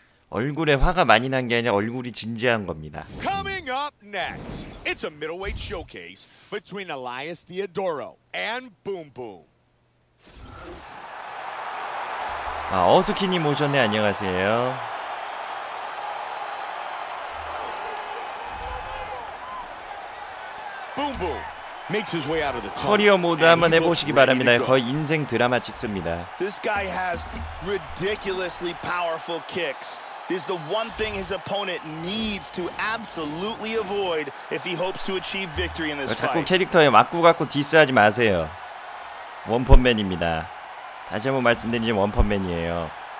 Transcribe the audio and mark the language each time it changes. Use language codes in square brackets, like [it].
[ko] 얼굴에 화가 많이 난 게 아니라 얼굴이 진지한 겁니다. [en] Coming up next. It's a middleweight showcase between Elias Theodoro and Boom Boom. [ko] 아, 어스키니 모션에 안녕하세요. [en] 붐붐 makes his way out of the tunnel. [ko] 커리어 모드 한번 해 보시기 바랍니다. 거의 인생 드라마 찍습니다. [en] This guy has ridiculously powerful kicks. This is the one thing his opponent needs to absolutely avoid if he hopes to achieve victory in this fight. [ko] 자꾸 캐릭터에 맞고 갖고 디스하지 마세요. 원펀맨입니다. 다시 한번 말씀드리면 원펀맨이에요.